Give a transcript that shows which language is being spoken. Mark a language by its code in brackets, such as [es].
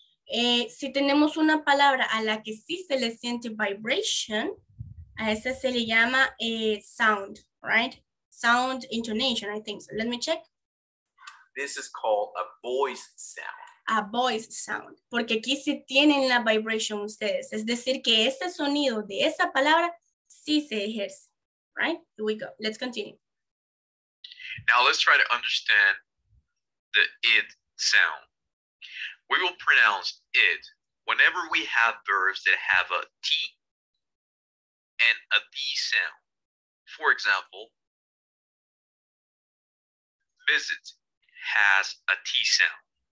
[es] Si tenemos una palabra a la que sí se le siente vibration, a esa se le llama sound, right? [en] Sound intonation, I think. So let me check. This is called a voice sound. A voice sound. [es] Porque aquí sí tienen la vibration ustedes. Es decir, que ese sonido de esa palabra sí se ejerce. [en] Right? Here we go. Let's continue. Now let's try to understand the id sound. We will pronounce id whenever we have verbs that have a T and a D sound. For example, visit has a T sound.